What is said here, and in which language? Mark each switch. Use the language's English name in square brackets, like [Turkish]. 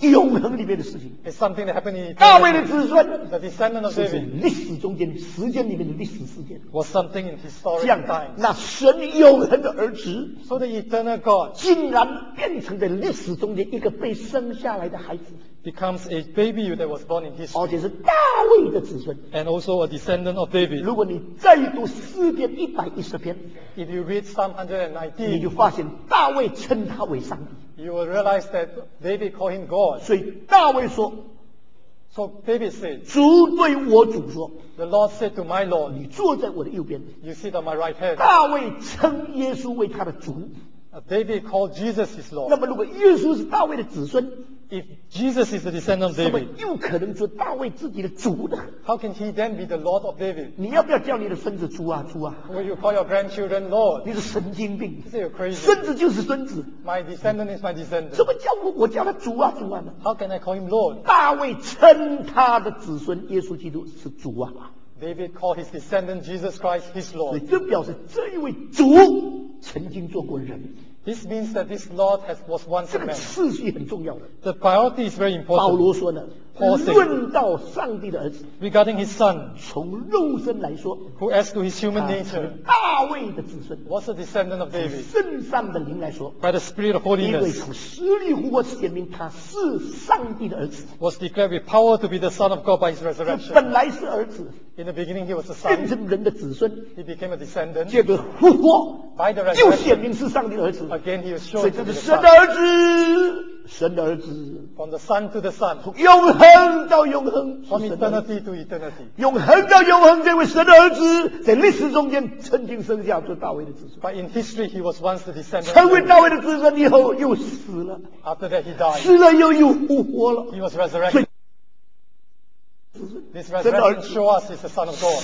[Chinese] 是永恒里面的事情 [English] ，is something that happened in eternity. [Chinese] 大卫的子孙 [English] ，the descendant of David， [Chinese] 是历史中间时间里面的历史事件 [English] ，was something in historical times. [Chinese] 那神永恒的儿子 [English] ，so the eternal God， [Chinese] 竟然变成在历史中间一个被生下来的孩子。 [English] Becomes a baby that was born in history, [Chinese] 而且是大卫的子孙 [English] and also a descendant of David. [Chinese] 如果你再读诗篇一百一十篇 [English] if you read Psalm 119, [Chinese] 你就发现大卫称他为上帝 [English] you will realize that David called him God. [Chinese] 所以大卫说 [English] so David said, [Chinese] 主对我主说 [English] the Lord said to my Lord, [Chinese] 你坐在我的右边 [English] you sit on my right hand. [Chinese] 大卫称耶稣为他的主 [English] David called Jesus his Lord. [Chinese] 那么如果耶稣是大卫的子孙 [English] If Jesus is the descendant of David, [Chinese] 怎么又可能做大卫自己的主呢？ [English] How can he then be the Lord of David? [Chinese] 你要不要叫你的孙子主啊，主啊？ [English] Will you call your grandchildren Lord? [Chinese] 你是神经病！ [English] Is it crazy? [Chinese] 孙子就是孙子。 [English] My descendant is my descendant. [Chinese] 怎么叫我叫他主啊，主啊呢？ [English] How can I call him Lord? [Chinese] 大卫称他的子孙耶稣基督是主啊。 [English] David called his descendant Jesus Christ his Lord. [Chinese] 所以这表示这一位主曾经做过人。 [English] This means that this Lord was once a man. [Chinese] 这个次序很重要的。 [English] The priority is very important. [Chinese] 保罗说呢， [English] Paul said, [Chinese] 论到上帝的儿子， [English] regarding his son, [Chinese] 从肉身来说， [English] who as to his human nature, [Chinese] 大卫的子孙， [English] was a descendant of David, [Chinese] 圣上的灵来说， [English] by the spirit of holiness, [Chinese] 因为从实力复活显明他是上帝的儿子， [English] was declared with power to be the son of God by his resurrection. [Chinese] 本来是儿子， [English] in the beginning he was a son, [Chinese] 变成人的子孙， [English] he became a descendant, [Chinese] 借着复活 [English] By the [Chinese] 又显明是上帝的儿子 [English] Again, he [Chinese] 所以这是神的儿子神的儿子。 [English] From the Son to the Son. [Chinese] 从永恒到永恒。 [English] From eternity to eternity. [Chinese] 永恒到永恒，这位神的儿子在历史中间曾经生下做大卫的子孙。 [English] But in history, he was once the descendant. [Chinese] 成为大卫的子孙以后又死了。 [English] After that, he died. [Chinese] 死了又又复活了。 [English] He was resurrected. This resurrection show us he's the Son of God.